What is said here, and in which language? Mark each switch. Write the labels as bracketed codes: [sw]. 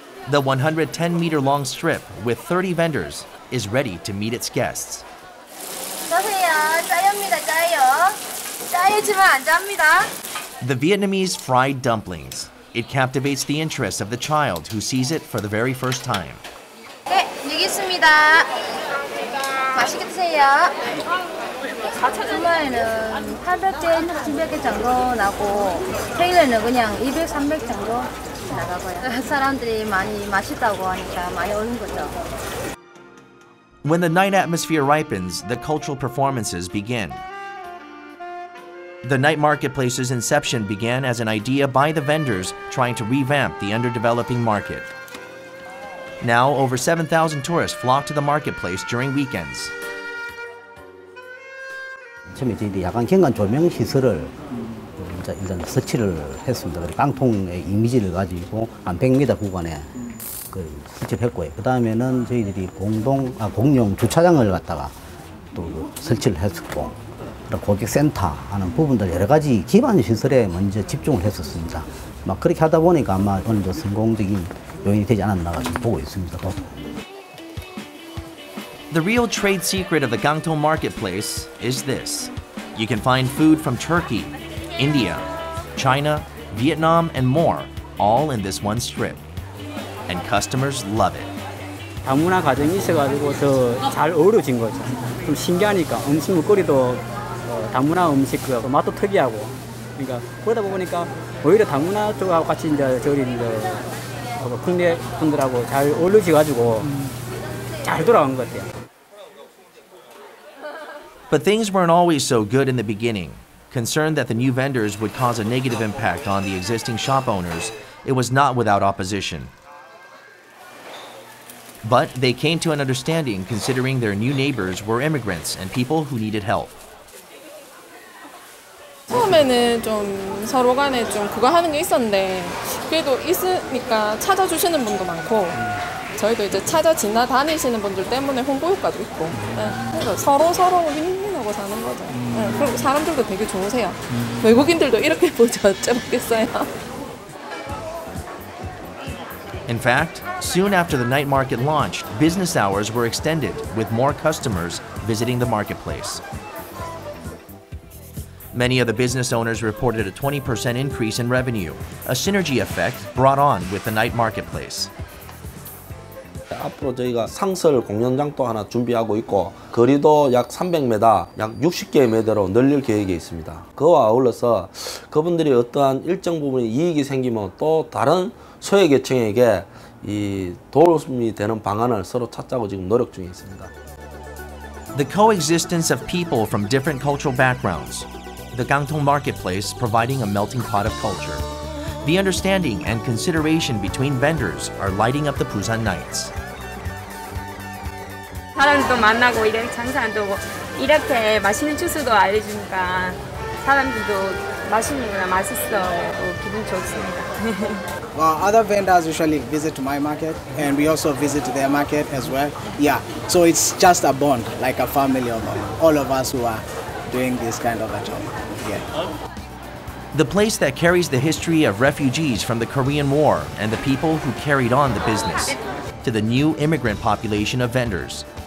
[en] The 110-meter long strip with 30 vendors is ready to meet its guests. The Vietnamese fried dumplings. It captivates the interest of the child who sees it for the very first time. [ko] 네, 여기 있습니다. 맛있게 드세요. 주말에는 800개, 900개 정도 나고 평일에는 그냥 200, 300 정도 나가고요. 사람들이 많이 맛있다고 하니까 많이 오는 거죠. [en] When the night atmosphere ripens, the cultural performances begin. The night marketplace's inception began as an idea by the vendors trying to revamp the underdeveloping market. Now, over 7,000 tourists flock to the marketplace during weekends. [ko] 처음에 이제 야간 경관 조명 시설을 일단 설치를 했습니다. 그리고 깡통의 이미지를 가지고 한 100m 구간에 그 설치했고요. 그 다음에는 저희들이 공용 주차장을 갖다가 또 설치를 했었고. 고객센터 하는 부분들 여러 가지 기반 시설에 먼저 집중을 했었습니다. 막 그렇게 하다 보니까 아마 어느 정도 성공적인 요인이 되지 않았나 좀 보고 있습니다. 또. [en] The real trade secret of the Gangtung marketplace is this. You can find food from Turkey, India, China, Vietnam and more all in this one strip. And customers love it. [ko] 다문화 가정이 있어 가지고 더 잘 어우러진 거죠. 좀 신기하니까 음식거리도 다문화 음식 그 맛도 특이하고 그러니까 그러다 보니까 오히려 다문화 쪽하고 같이 이제 저희 이제 국내 분들하고 잘 어울리셔가지고 잘 돌아온 것 같아요. [en] But things weren't always so good in the beginning. Concerned that the new vendors would cause a negative impact on the existing shop owners, it was not without opposition. But they came to an understanding, considering their new neighbors were immigrants and people who needed help. [ko] 처음에는 좀 서로 간에 좀 그거 하는 게 있었는데 그래도 있으니까 찾아주시는 분도 많고 저희도 이제 찾아 지나다니시는 분들 때문에 홍보 효과도 있고 네. 서로 서로 윈윈하고 사는 거죠. 네. 그리고 사람들도 되게 좋으세요. 외국인들도 이렇게 보지 어쩌겠어요. [en] In fact, soon after the night market launched, business hours were extended with more customers visiting the marketplace. Many of the business owners reported a 20% increase in revenue, a synergy effect brought on with the night marketplace. [ko] 앞으로 저희가 상설 공연장도 하나 준비하고 있고 거리도 약 300m, 약 60개의 매대로 늘릴 계획이 있습니다. 그와 아울러서 그분들이 어떠한 일정 부분의 이익이 생기면 또 다른 소외 계층에게 이 도움이 되는 방안을 서로 찾자고 지금 노력 중에 있습니다. [en] The coexistence of people from different cultural backgrounds. The Gangtung marketplace providing a melting pot of culture. The understanding and consideration between vendors are lighting up the Busan nights. [ko] 사람도 만나고 이렇게 장사도 이렇게 맛있는 주스도 알려주니까 사람들도 맛있는구나 맛있어 기분 좋습니다. [en] Well, other vendors usually visit my market and we also visit their market as well. Yeah, so it's just a bond, like a family of all of us who are doing this kind of a job. The place that carries the history of refugees from the Korean War and the people who carried on the business to the new immigrant population of vendors.